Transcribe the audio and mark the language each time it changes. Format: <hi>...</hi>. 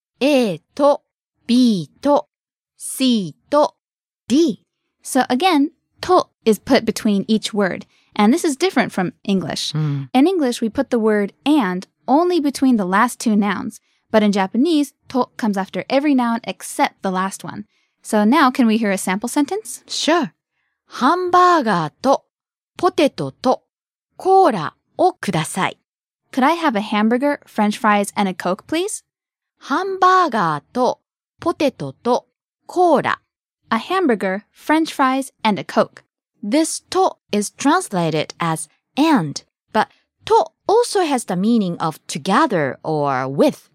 <en>A と B と C と D. So again, と is put between each word. And this is different from English.、 Mm. In English, we put the word and only between the last two nouns. But in Japanese, と comes after every noun except the last one. So now can we hear a sample sentence? Sure.</en> <ja>ハンバーガーとポテトとコーラをください。</ja> <en>Could I have a hamburger, french fries, and a coke, please?</en> <ja>ハンバーガーとポテトとコーラ。</ja> <en>A hamburger, french fries, and a coke. This と is translated as and, but と also has the meaning of together or with.</en>